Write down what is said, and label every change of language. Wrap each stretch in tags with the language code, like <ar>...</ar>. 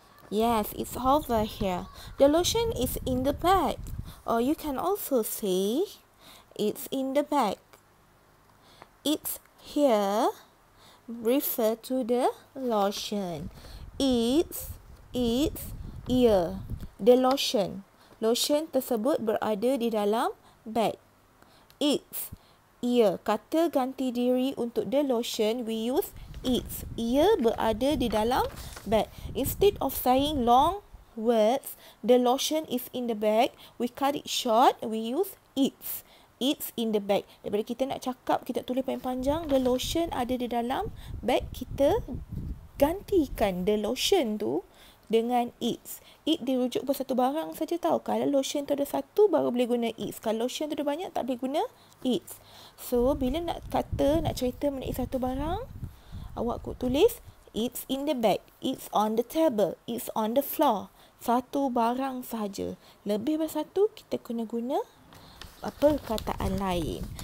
<en>Yes, it's over here. The lotion is in the bag. Or you can also say it's in the bag. It's here, refer to the lotion. It's here. The lotion.</en> <ms>Lotion tersebut berada di dalam bag.</ms> <en>It's here.</en> <ms>Kata ganti diri untuk</ms> <en>the lotion, we use it's.</en> <ms>Ia berada di dalam bag.</ms> <en>Instead of saying long words, the lotion is in the bag, we cut it short, we use it's. It's in the bag.</en> <ms>Daripada kita nak cakap, kita tulis panjang-panjang, the lotion ada di dalam bag, kita gantikan the lotion tu dengan it's. It dirujuk pada satu barang saja tau. Kalau lotion tu ada satu, baru boleh guna it's. Kalau lotion tu ada banyak, tak boleh guna it's. So, bila nak kata, nak cerita mengenai satu barang, awak kut tulis,</ms> <en>it's in the bag, it's on the table, it's on the floor.</en> <ms>Satu barang sahaja. Lebih daripada satu, kita kena guna perkataan lain.</ms>